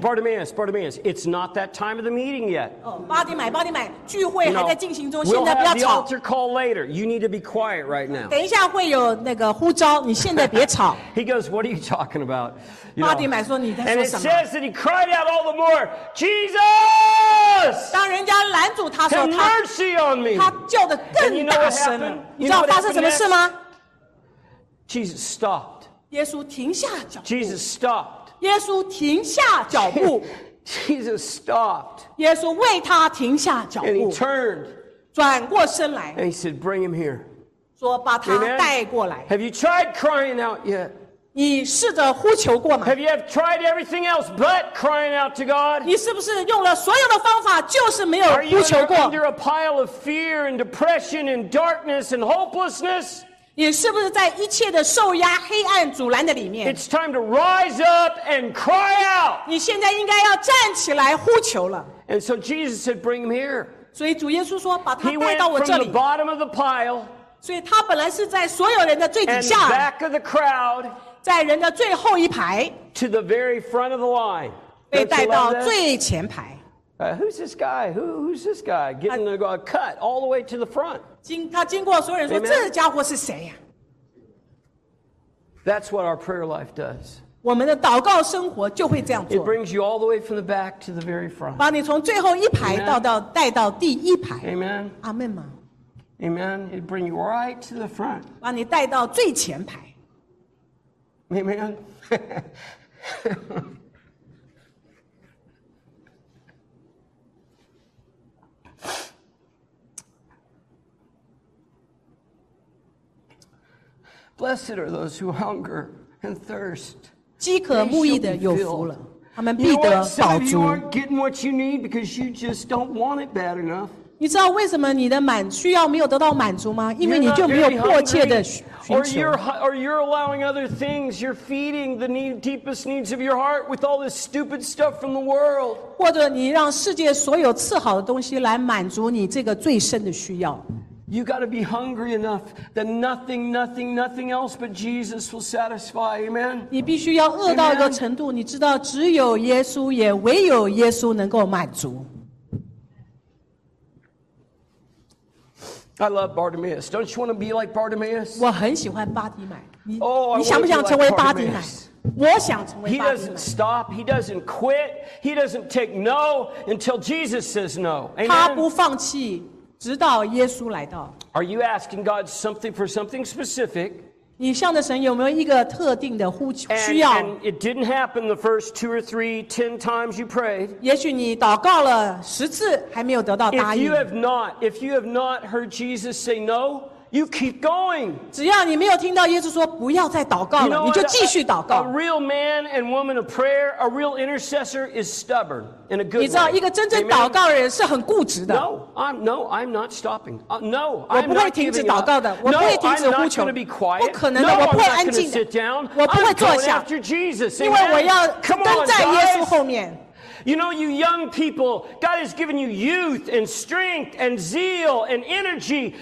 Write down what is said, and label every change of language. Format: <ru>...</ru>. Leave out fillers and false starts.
<en>Bartimaeus, Bartimaeus, it's not that time of the meeting yet.</en> <zh>巴底买，巴底买，聚会还在进行中，现在不要吵。</zh> <en>We'll have the altar call later. You need to be quiet right now.</en> <zh>等一下会有那个呼召，你现在别吵。</zh> <en>He goes, what are you talking about? You know,</en> <zh>巴底买说你在说什么？</zh> <en>And it says that he cried out all the more, Jesus!</en> <zh>当人家拦住他说他</zh> <en>Have mercy on me.</en> <zh>他叫得更大声了。你知道发生什么事吗？</zh> <en>Jesus stopped.</en> <zh>耶稣停下脚步。</zh> <en>Jesus stopped.</en> <zh>耶稣停下脚步。</zh> <en>Jesus stopped.</en> <zh>耶稣为他停下脚步。</zh> <en>And he turned.</en> <zh>转过身来。</zh> <en>And he said, "Bring him here."</en> <zh>说把他带过来。</zh> <en>Have you tried crying out yet?</en> <zh>你试着呼求过吗？</zh> <en>Have you tried everything else but crying out to God?</en> <zh>你是不是用了所有的方法，就是没有呼求过？</zh> <en>Are you under a pile of fear and depression and darkness and hopelessness?</en> <zh>你是不是在一切的受压、黑暗、阻拦的里面？</zh> <en>It's time to rise up and cry out.</en> <zh>你现在应该要站起来呼求了。</zh> <en>And so Jesus said, "Bring him here."</en> <zh>所以主耶稣说，把他带到我这里。</zh> <en>He went from the bottom of the pile.</en> <zh>所以他本来是在所有人的最底下。</zh> <en>And back of the crowd.</en> <zh>在人的最后一排。</zh> <en>To the very front of the line.</en> <zh>被带到最前排。</zh> <en>Who's this guy? Who's this guy getting a cut all the way to the front?</en> <zh>他经过所有人说，这家伙是谁呀？</zh> <en>That's what our prayer life does.</en> <zh>我们的祷告生活就会这样做。</zh> <en>It brings you all the way from the back to the very front.</en> <zh>把你从最后一排带到第一排。</zh> <en>Amen.</en> <zh>阿门吗？</zh> <en>Amen. It brings you right to the front.</en> <zh>把你带到最前排。</zh> <en>Amen. Blessed are those who hunger and thirst.</en> <zh>饥渴慕义的有福了。你知道为什么你的满需要没有得到满足吗？因为你就没有迫切的寻求。</zh> <en>Or you're allowing other things. You're feeding the deepest needs of your heart with all this stupid stuff from the world.</en> <zh>或者你让世界所有赐好的东西来满足你这个最深的需要。</zh> <en>You got to be hungry enough that nothing else but Jesus will satisfy. Amen.</en> <zh>你必须要饿到一个程度，你知道只有耶稣，也唯有耶稣能够满足。</zh> <en>I love Bartimaeus. Don't you want to be like Bartimaeus?</en> <zh>我很喜欢巴底买。你想不想成为巴底买？我想成为巴底买。</zh> <en>He doesn't stop. He doesn't quit. He doesn't take no until Jesus says no. Amen.</en> <zh>他不放弃。直到耶稣来到。</zh> <en>Are you asking God something for something specific?</en> <zh>你向着神有没有一个特定的呼求需要？</zh> <en>And it didn't happen the first two or three, ten times you prayed.</en> <zh>也许你祷告了十次还没有得到答应。</zh> <en>If you have not heard Jesus say no, you keep going.</en> <zh>只要你没有听到耶稣说不要再祷告了，你就继续祷告。</zh> <en>A real man and woman of prayer, a real intercessor is stubborn. In a good way.</en> <zh>你知道一个真正祷告的人是很固执的。</zh> <en>No, I'm not stopping. No, I'm not.</en> <zh>我不会停止祷告的。我不会停止呼求。不可能的，我不会安静的。我不会坐下，因为我要跟在耶稣后面。</zh> <en>You know, you young people, God has given you youth and strength and zeal and energy.</en>